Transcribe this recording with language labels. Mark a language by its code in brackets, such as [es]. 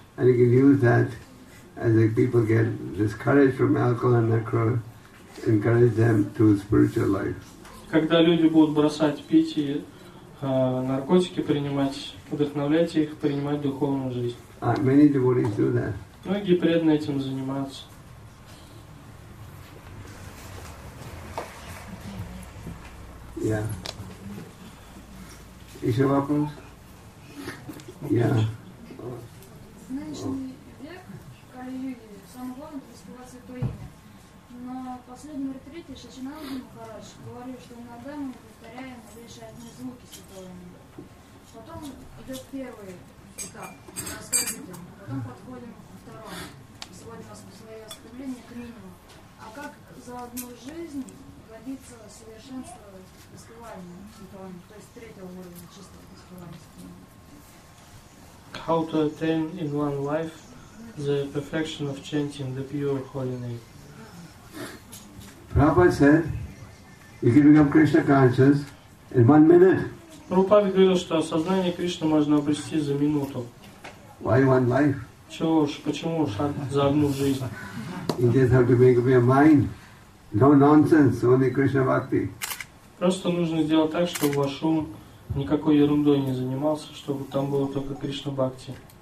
[en] And you can use that as if people get discouraged from alcohol and alcohol, encourage them to spiritual life. [ru] Когда люди будут бросать пить и наркотики принимать, вдохновляйте их принимать духовную жизнь. [en] Many devotees do that. [ru] Многие преданные этим занимаются. [en] Yeah. [ru] Еще вопрос? [en] Yeah. [ru] Нынешний век, Кали-юги, самое главное преуспевать святое имя. На последнем ретрите Шачинанда Махарадж говорил, что иногда мы повторяем лишь одни звуки святого имени. Потом идет первый этап с развитием, потом подходим ко второму. Сегодня у нас свое стремление к минимуму. А как за одну жизнь добиться совершенства раскрывания, то есть третьего уровня чистого раскрывания? [en] How to attain in one life the perfection of chanting the pure holy name? Prabhupada said, you can become Krishna conscious in 1 minute. [ru] Prabhupada говорил, что осознание Кришны можно обрести за минуту. [en] Why one life? [ru] Чего ж, почему ж за одну жизнь? [en] You just have to make up your mind. No nonsense, only Krishna bhakti. [ru] Просто нужно сделать так, чтобы ваш ум никакой ерундой не занимался, чтобы там было только Кришна Бхакти.